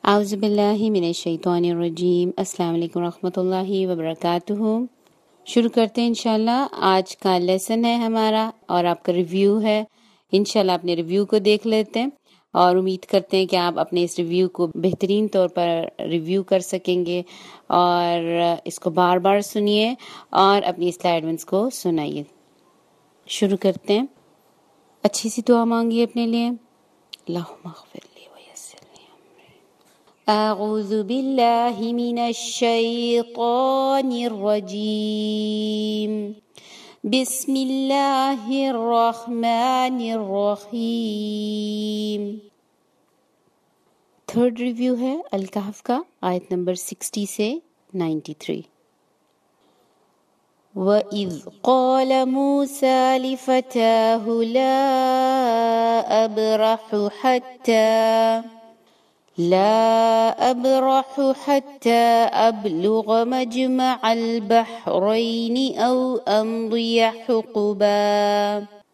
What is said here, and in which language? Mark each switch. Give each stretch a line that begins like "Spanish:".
Arabic: أعوذ بالله من الشيطان الرجيم. السلام عليكم ورحمة الله وبركاته.
Urdu: شروع کرتے ہیں انشاءاللہ. آج کا لیسن ہے ہمارا اور آپ کا ریویو ہے. انشاءاللہ اپنے ریویو کو دیکھ لیتے ہیں اور امید کرتے ہیں کہ آپ اپنے اس ریویو کو بہترین طور پر ریویو کر سکیں گے اور اس کو بار بار سنیے اور اپنی سلائیڈنس کو سنائیے. شروع کرتے ہیں. اچھی سی دعا مانگیے اپنے لیے.
Arabic: اللہم اغفر لی ویسر لی امری. اعوذ باللہ من الشیطان الرجیم. بسم اللہ الرحمن الرحیم.
Urdu: تھرڈ ریویو ہے الکہف کا, آیت نمبر 60 سے 93.
Arabic: وَإِذْ قَالَ مُوسَى لِفَتَاهُ لَا أَبْرَحُ حَتَّى أَبْلُغَ مَجْمَعَ الْبَحْرَيْنِ أَوْ أَمْضِيَ حُقُبًا.